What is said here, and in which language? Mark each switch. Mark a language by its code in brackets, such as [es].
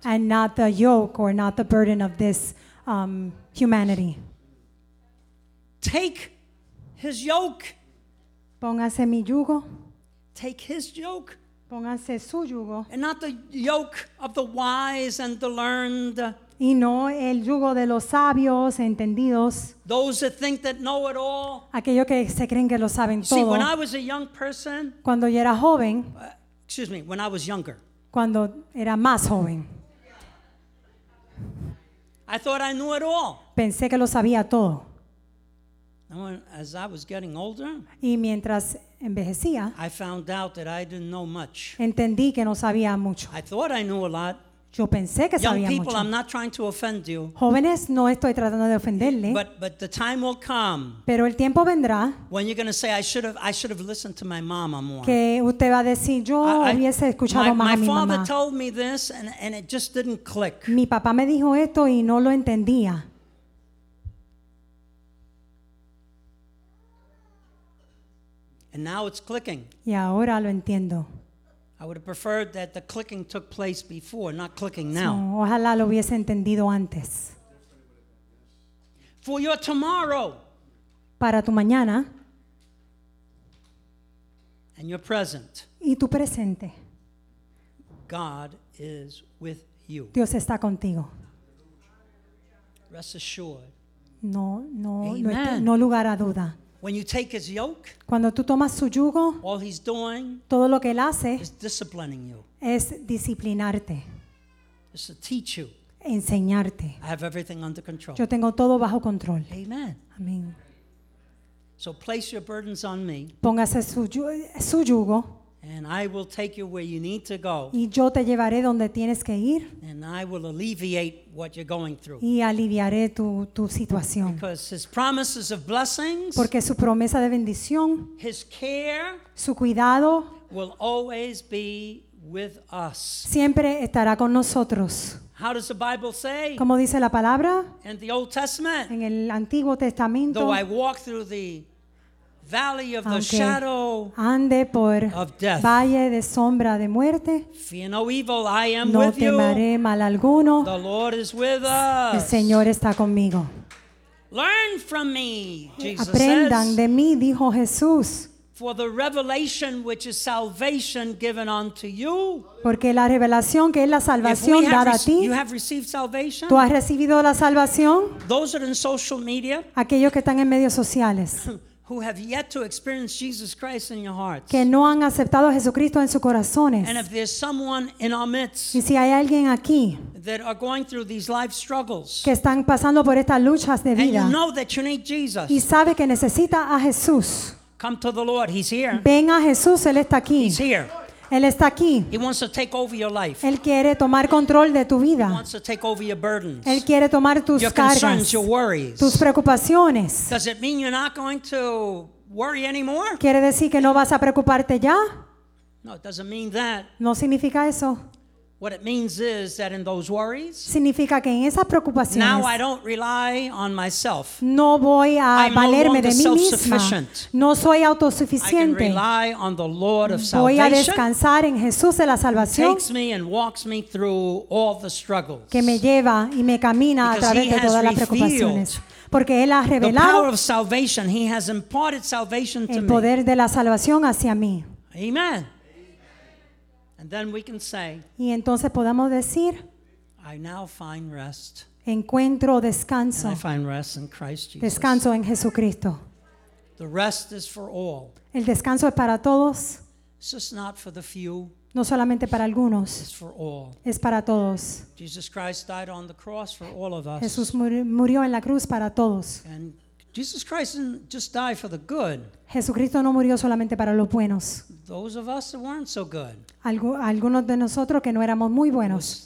[en] And not the yoke or not the burden of this humanity. Take his yoke. [es] Póngase mi yugo. [en] Take his yoke. [es] Póngase su yugo. [en] And not the yoke of the wise and the learned. [es] Y no el yugo de los sabios entendidos. [en] Those that think that know it all. [es] Aquellos que se creen que lo saben todo. [en] See, when I was a young person. [es] Cuando yo era joven. [en] Excuse me, when I was younger. [es] Cuando era más joven. [en] I thought I knew it all. [es] Pensé que lo sabía todo. [en] As I was getting older. [es] Y mientras envejecía. [en] I found out that I didn't know much. [es] Entendí que no sabía mucho. [en] I thought I knew a lot. [es] Yo pensé que [en] young [es] sabía [en] people, [es] mucho. [en] I'm not trying to offend you. [es] Jóvenes, no estoy tratando de ofenderle. [en] But the time will come. [es] Pero el tiempo vendrá. [en] When you're going to say, I should have listened to my mama more. [es] Que usted va a decir, yo hubiese escuchado más a mi mamá. [en] My father told me this, and it just didn't click. [es] Mi papá me dijo esto y no lo entendía. [en] And now it's clicking. [es] Y ahora lo entiendo. [en] I would have preferred that the clicking took place before, not clicking now. [es] No, ojalá lo hubiese entendido antes. [en] For your tomorrow. [es] Para tu mañana. [en] And your present. [es] Y tu presente. [en] God is with you. [es] Dios está contigo. [en] Rest assured. [es] No lugar a duda. [en] When you take his yoke, [es] cuando tú tomas su yugo, [en] all he's doing, [es] todo lo que él hace, [en] is disciplining you, [es] es disciplinarte, [en] is to teach you, [es] enseñarte. [en] I have everything under control. [es] Yo tengo todo bajo control. [en] Amen. [es] Amén. [en] So place your burdens on me. [es] Póngase su yugo. [en] And I will take you where you need to go. [es] Y yo te llevaré donde tienes que ir. [en] And I will alleviate what you're going through. [es] Y aliviaré tu situación. [en] Because his promises of blessings. [es] Porque su promesa de bendición. [en] His care. [es] Su cuidado. [en] Will always be with us. [es] Siempre estará con nosotros. [en] How does the Bible say? [es] ¿Cómo dice la palabra? [en] In the Old Testament. [es] En el Antiguo Testamento. [en] Though I walk through the valley of the shadow [es] ande por [en] of death. [es] Valle de sombra de muerte. [en] Fear no evil, I am [es] no [en] with you. [es] No temeré mal alguno. [en] The Lord is with us. [es] El Señor está conmigo. [en] Learn from me, Jesus says. [es] Aprendan de mí, dijo Jesús. [en] For the revelation which is salvation given unto you. [es] Porque la revelación que es la salvación dada a ti. [en] You have received salvation. [es] Tú has recibido la salvación. [en] Those are in social media. [es] Aquellos que están en medios sociales. [en] Who have yet to experience Jesus Christ in your hearts. [es] Que no han aceptado a Jesucristo en sus corazones. [en] And if there's someone in our midst. [es] Y si hay alguien aquí. [en] That are going through these life struggles. [es] Que están pasando por estas luchas de vida. [en] And you know that you need Jesus. [es] Y sabe que necesita a Jesús. [en] Come to the Lord. He's here. [es] Ven a Jesús. Él está aquí. [en] He's here. [es] Él está aquí. [en] He wants to take over your life. [es] Él quiere tomar control de tu vida. [en] He wants to take over your burdens. [es] Él quiere tomar tus [en] your [es] cargas, [en] concerns, your worries. [es] Tus preocupaciones. [en] Does it mean you're not going to worry anymore? [es] ¿Quiere decir que no vas a preocuparte ya? [en] No, it doesn't mean that. [es] No significa eso. [en] What it means is that in those worries, [es] significa que en esas preocupaciones, [en] now I don't rely on myself. [es] No voy a [en] I'm [es] valerme de mí [en] self-sufficient. [es] Misma. No soy autosuficiente. [en] I can rely on the Lord of [es] voy [en] salvation. [es] A descansar en Jesús de la salvación. [en] Takes me and walks me through all the struggles. [es] Que me lleva y me camina [en] because [es] a través de todas las preocupaciones. Porque él ha revelado [en] the power of salvation. He has imparted salvation to [es] el poder [en] me. [es] De la salvación hacia mí. [en] Amen. And then we can say, [es] y entonces podamos decir, [en] I now find rest. [es] Encuentro descanso. [en] And I find rest in Christ Jesus. [es] Descanso en Jesucristo. [en] The rest is for all. [es] El descanso es para todos. [en] It's just not for the few. [es] No solamente para algunos. [en] It's for all. [es] Es para todos. [en] Jesus Christ died on the cross for all of us. [es] Jesús murió en la cruz para todos. [en] And Jesus Christ didn't just die for the good. [es] Jesucristo no murió solamente para los buenos. [en] Those of us that weren't so good. [es] Algunos de nosotros que no éramos muy buenos.